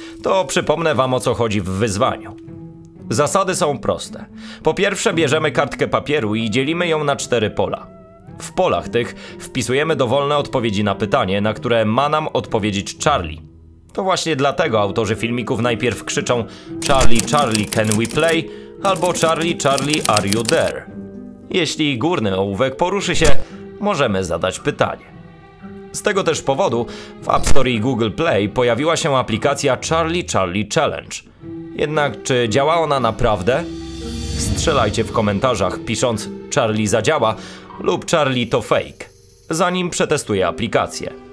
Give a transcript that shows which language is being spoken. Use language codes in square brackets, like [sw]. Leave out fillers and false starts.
[pl] To przypomnę wam, o co chodzi w wyzwaniu. Zasady są proste. Po pierwsze bierzemy kartkę papieru i dzielimy ją na 4 pola. W polach tych wpisujemy dowolne odpowiedzi na pytanie, na które ma nam odpowiedzieć Charlie. To właśnie dlatego autorzy filmików najpierw krzyczą [en] Charlie, can we play? [pl] Albo [en] Charlie, are you there? [pl] Jeśli górny ołówek poruszy się, możemy zadać pytanie. Z tego też powodu w App Store i Google Play pojawiła się aplikacja Charlie Challenge. Jednak czy działa ona naprawdę? Strzelajcie w komentarzach pisząc Charlie zadziała, lub [en] Charlie to fake, [pl] zanim przetestuję aplikację.